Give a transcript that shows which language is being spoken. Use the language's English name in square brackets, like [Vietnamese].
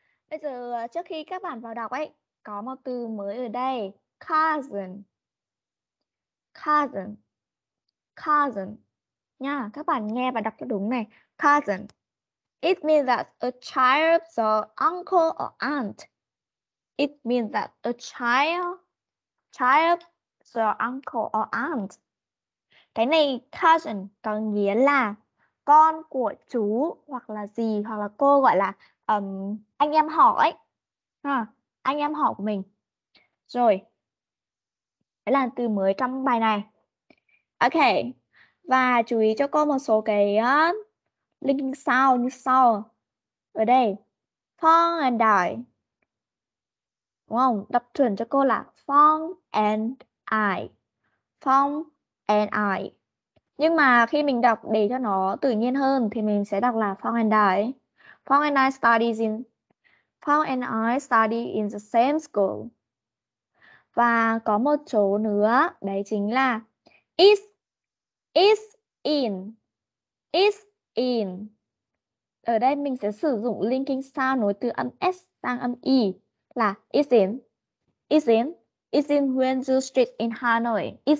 [Vietnamese] Bây giờ trước khi các bạn vào đọc ấy, có một từ mới ở đây. Cousin. Cousin. Cousin. Nha, các bạn nghe và đọc cho đúng này. [English] Cousin. It means that a child's uncle or aunt. It means that a child's uncle or aunt. [Vietnamese] Cái này cousin có nghĩa là con của chú hoặc là dì hoặc là cô, gọi là anh em họ ấy. Anh em họ của mình. Rồi. Đấy là từ mới trong bài này. Ok. Và chú ý cho cô một số cái link sau như sau. Ở đây. Phong and I. Đúng không? Đọc chuẩn cho cô là Phong and I. Phong and I. Nhưng mà khi mình đọc để cho nó tự nhiên hơn thì mình sẽ đọc là Phong and I. [English] Phong and I studies in Phong and I study in the same school. [Vietnamese] Và có một chỗ nữa, đấy chính là is in. Ở đây mình sẽ sử dụng linking sound nối từ âm s sang âm i là [English] is in Wenzhou Street in Hanoi.